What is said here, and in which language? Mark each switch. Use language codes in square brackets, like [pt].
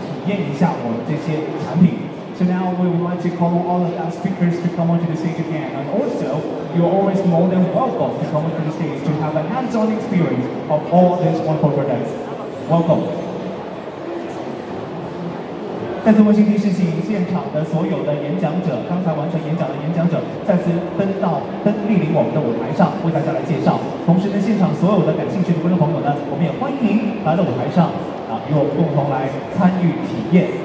[zh] 欢迎大家来到我们的舞台上体验。那么今天呢，我们的这个美容护肤的这个美丽与健康重塑的这个环节到这里就先告一段落了。那么现在可以请我们所有的演讲者以及所有的观众来到舞台上，亲自的来体验一下我们这些产品。 [en] So now we would like to call all the guest speakers to come onto the stage again. And also, you're always more than welcome to come onto the stage to have a hands-on experience of all these wonderful products. Welcome. [zh] 再次温馨提示，现场的所有的演讲者，刚才完成演讲的演讲者，再次登临我们的舞台上，为大家来介绍。同时呢，现场所有的感兴趣的观众朋友呢，我们也欢迎您来到舞台上，与我们共同来参与体验。